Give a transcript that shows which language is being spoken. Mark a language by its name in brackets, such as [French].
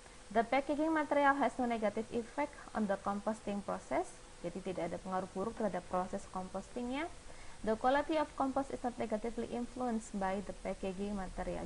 [English] The packaging material has no negative effect on the composting process. [Indonesian] Jadi tidak ada pengaruh buruk terhadap proses compostingnya. [English] The quality of compost is not negatively influenced by the packaging material.